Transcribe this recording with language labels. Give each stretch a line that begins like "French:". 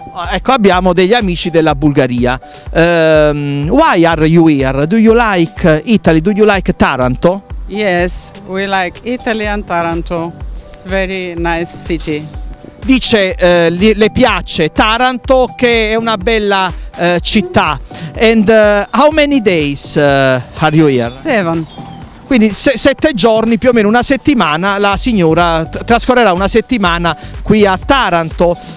Italian: Ecco, abbiamo degli amici della Bulgaria.
English: Why are you here? Do you like Italy? Do you like Taranto? Yes, we like Italy and Taranto. It's a very nice city.
Italian: Dice, le piace Taranto, che è una bella città.
English: And how many days are you here? Seven.
Italian: Quindi sette giorni, più o meno una settimana, la signora trascorrerà una settimana qui a Taranto.